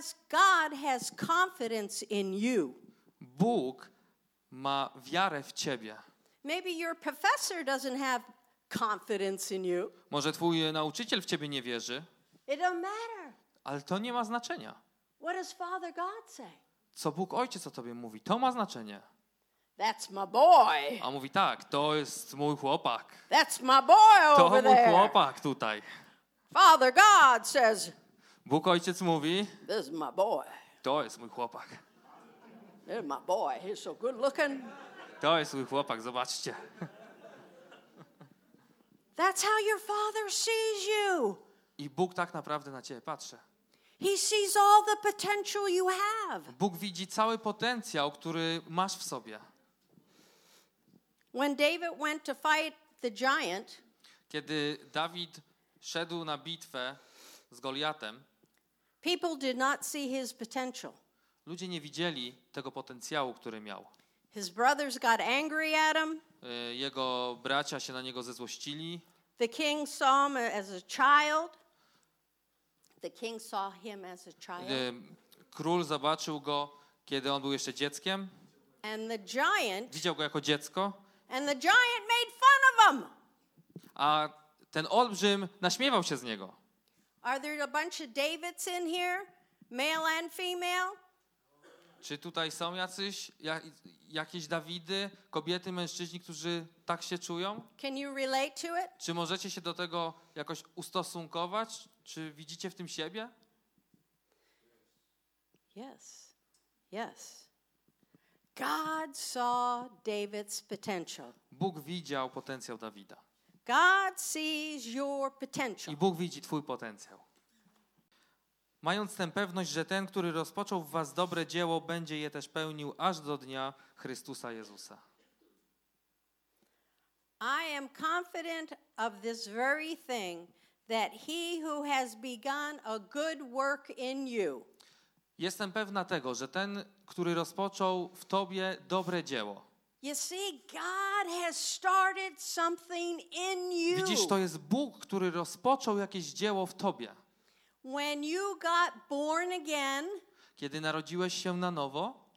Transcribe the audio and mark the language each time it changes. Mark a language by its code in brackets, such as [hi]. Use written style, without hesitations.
[en] God has confidence in you. [pl] Bóg ma wiarę w ciebie. [en] Maybe your professor doesn't have confidence in you. [pl] Może twój nauczyciel w ciebie nie wierzy. [en] It don't matter. [pl] Ale to nie ma znaczenia. [en] What does Father God say? [pl] Co Bóg Ojciec o tobie mówi, to ma znaczenie. [en] That's my boy. [pl] A mówi tak, to jest mój chłopak. [en] That's my boy over there. [pl] To mój chłopak tutaj. [en] Father God says. [pl] Bóg Ojciec mówi. [en] This is my boy. [pl] To jest mój chłopak. [en] This is my boy. He's so good looking. [pl] To jest mój chłopak, zobaczcie. [en] That's how your father sees you. [pl] I Bóg tak naprawdę na ciebie patrzy. [en] He sees all the potential you have. [pl] Bóg widzi cały potencjał, który masz w sobie. [en] When David went to fight the giant, [pl] kiedy Dawid szedł na bitwę z Goliatem, [en] people did not see his potential. [pl] Ludzie nie widzieli tego potencjału, który miał. [en] His brothers got angry at him. [pl] Jego bracia się na niego zezłościli. [en] The king saw him as a child. The king saw him as a child. [pl] Król zobaczył go, kiedy on był jeszcze dzieckiem. [en] And the giant. [pl] Widział go jako dziecko. [en] And the giant made fun of him. [pl] A ten olbrzym naśmiewał się z niego. [en] Are there a bunch of Davids in here, male and female? [pl] Czy tutaj są jacyś, jakieś Dawidy, kobiety, mężczyźni, którzy tak się czują? [en] Can you relate to it? [pl] Czy możecie się do tego jakoś ustosunkować? Czy widzicie w tym siebie? [en] Yes, yes. God saw David's potential. [pl] Bóg widział potencjał Dawida. [en] God sees your potential. [pl] I Bóg widzi twój potencjał. Mając tę pewność, że ten, który rozpoczął w was dobre dzieło, będzie je też pełnił aż do dnia Chrystusa Jezusa. [en] I am confident of this very thing, that he who has begun a good work in you. [pl] Jestem pewna tego, że ten, który rozpoczął w tobie dobre dzieło. [en] You see, God has started something in you. [pl] Widzisz, to jest Bóg, który rozpoczął jakieś dzieło w tobie. [en] When you got born again, [pl] kiedy narodziłeś się na nowo?